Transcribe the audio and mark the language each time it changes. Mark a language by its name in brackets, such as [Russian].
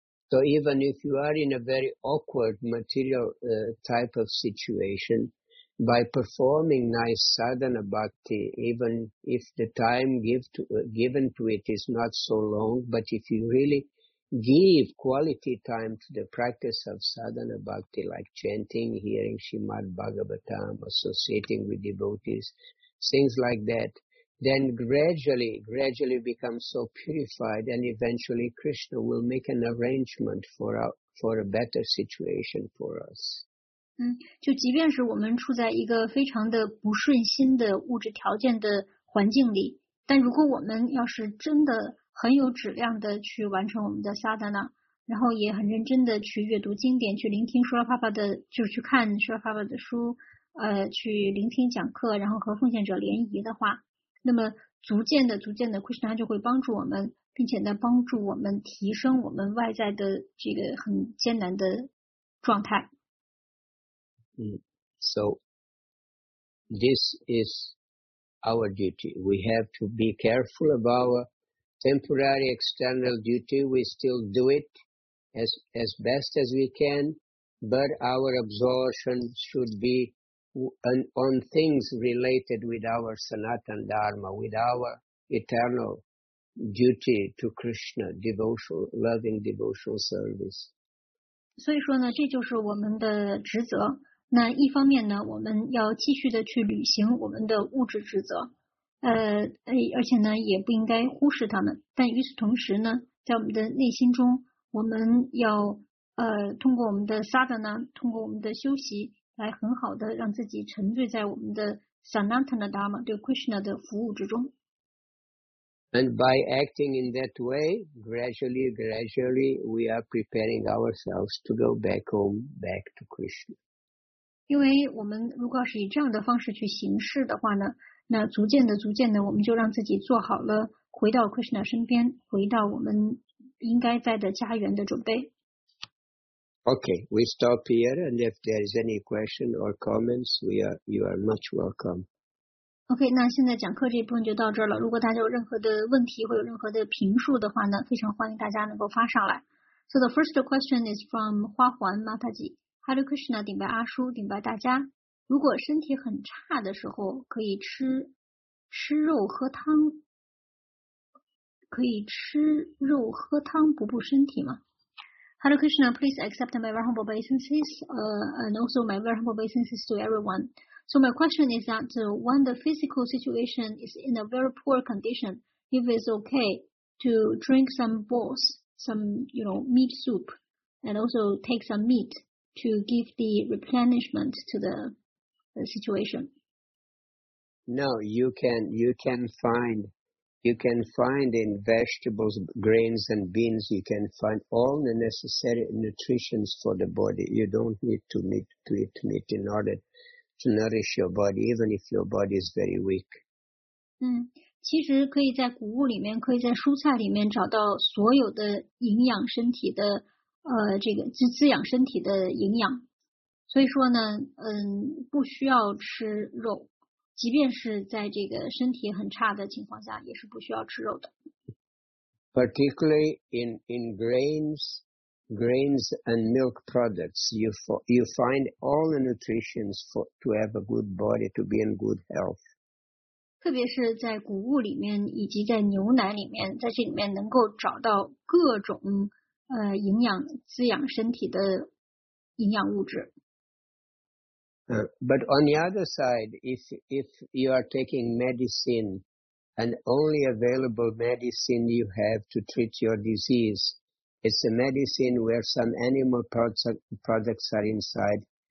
[English] So even if you are in a very awkward material type of situation,By performing nice sadhana bhakti, even if the time given to it is not so long, but if you really give quality time to the practice of sadhana bhakti, like chanting, hearing Srimad Bhagavatam, associating with devotees, things like that, then gradually become so purified, and eventually Krishna will make an arrangement for a better situation for us. [Chinese] 就即便是我们处在一个非常的不顺心的物质条件的环境里，但如果我们要是真的很有质量的去完成我们的 sadhana， 然后也很认真的去阅读经典，去聆听舒拉帕帕的，就是去看舒拉帕帕的书，去聆听讲课，然后和奉献者联谊的话，那么逐渐的 Krishna 就会帮助我们，并且呢帮助我们提升我们外在的这个很艰难的状态。 [English] So, this is our duty. We have to be careful of our temporary external duty. We still do it as best as we can, but our absorption should be on things related with our Sanatana Dharma, with our eternal duty to Krishna, devotional, loving devotional service. [Chinese] 所以说呢，这就是我们的职责。那一方面呢，我们要继续的去履行我们的物质职责，而且呢，也不应该忽视他们。但与此同时呢，在我们的内心中，我们要通过我们的 sadhana， 通过我们的修习，来很好的让自己沉醉在我们的 sanatana dharma 对 Krishna 的服务之中。 [English] And by acting in that way, gradually, we are preparing ourselves to go back home, back to Krishna. [Chinese] 因为我们如果要是以这样的方式去行事的话呢，那逐渐的我们就让自己做好了回到 Krishna 身边，回到我们应该在的家园的准备。 [English] Okay, we stop here, and if there is any question or comments, you are much welcome. [Chinese] OK， 那现在讲课这部分就到这儿了。如果大家有任何的问题或有任何的评述的话呢，非常欢迎大家能够发上来。 [English] So the first question is from 花环 Mataji。 [Chinese] Hare Krishna， 顶白阿叔，顶白大家。如果身体很差的时候，可以吃肉喝汤，可以吃肉喝汤补补身体吗？ [English] Hare Krishna， please accept my very humble obeisances and also my very humble obeisances to everyone。 So my question is that when the physical situation is in a very poor condition, if it's okay to drink some balls, some, you know, meat soup, and also take some meat to give the replenishment to the situation? No, you can find in vegetables, grains and beans, you can find all the necessary nutrition for the body. You don't need to eat meat in order to nourish your body, even if your body is very weak. [Chinese] 其实可以在谷物里面，可以在蔬菜里面找到所有的营养身体的，这个滋养身体的营养。所以说呢，不需要吃肉，即便是在这个身体很差的情况下，也是不需要吃肉的。 [English] Particularly in grains. Grains and milk products, you find all the nutrients for to have a good body, to be in good health. [Chinese] 特别是在谷物里面以及在牛奶里面，在这里面能够找到各种营养滋养身体的营养物质。 [English] But on the other side, if you are taking medicine and only available medicine you have to treat your disease. It's a medicine where some animal products are inside.